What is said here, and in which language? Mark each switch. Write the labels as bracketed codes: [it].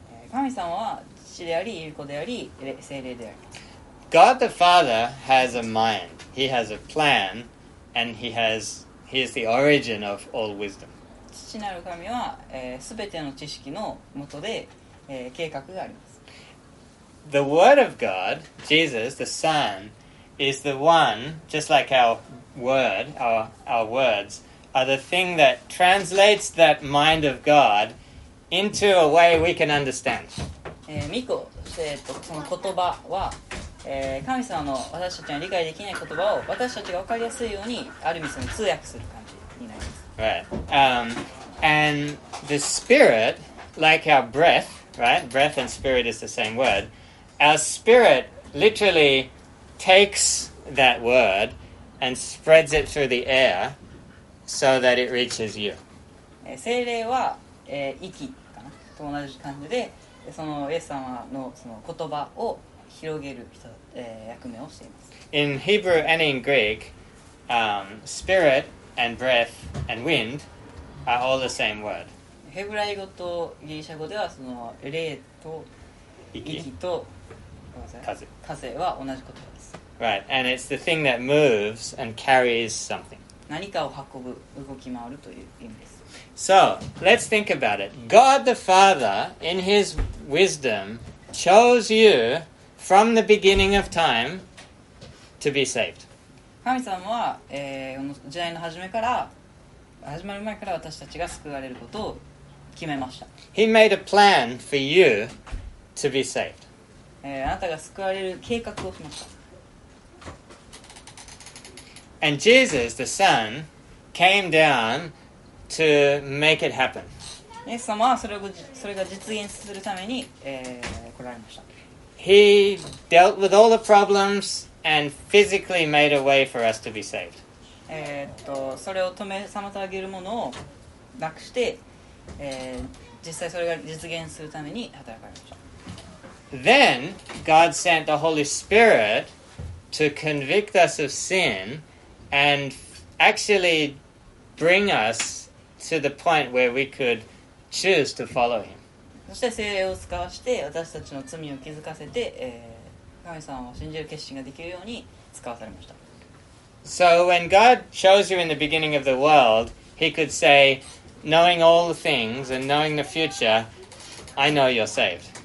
[ja] 神様は父であり、子であり、聖霊であり。 [en] God the Father has a mind. He has a plan. And he is the origin of all wisdom. [ja] 父なる神は、全ての知識のもとで、計画があります。 [en] The Word of God, Jesus, the Son, is the one, just like our word, our words, are the thing that translates that mind of God into a way we can understand. [ja] 御子、その言葉は、神様の私たちが理解できない言葉を私たちが分かりやすいようにある意味その通訳する感じになります。 [en] Right. And the spirit, like our breath, right? Breath and spirit is the same word. Our spirit literally takes that word and spreads it through the air so that it reaches you. [ja] 聖霊は、息かなと同じ感じでそのイエス様のその言葉を広げる人、役目をしています。 [en] In Hebrew and in Greek, spirit and breath and wind are all the same word. [ja] ヘブライ語とギリシャ語ではその霊と息と風は同じ言葉です。 [en] Right, and it's the thing that moves and carries something. [ja] 何かを運ぶ、動き回るという意味です。 [en] So, let's think about it. God the Father, in His wisdom, chose you. From the beginning of time, to be saved. [ja] 神様は、この時代の初めから、始まる前から私たちが救われることを決めました。 [en] He made a plan for you to be saved. [ja] あなたが救われる計画をしました。 [en] And Jesus, the Son, came down to make it happen. [ja] イエス様はそれが実現するために、来られました。 [en] He dealt with all the problems and physically made a way for us to be saved. [ja] それを止め妨げるものをなくして、実際それが実現するために働かれました。 [en] Then God sent the Holy Spirit to convict us of sin and actually bring us to the point where we could choose to follow Him. [ja] そして聖霊を使わして私たちの罪を気づかせて、神様を信じる決心ができるように使わされました。 [en] So when God chose you in the beginning of the world, He could say, knowing all the things and knowing the future, I know you're saved.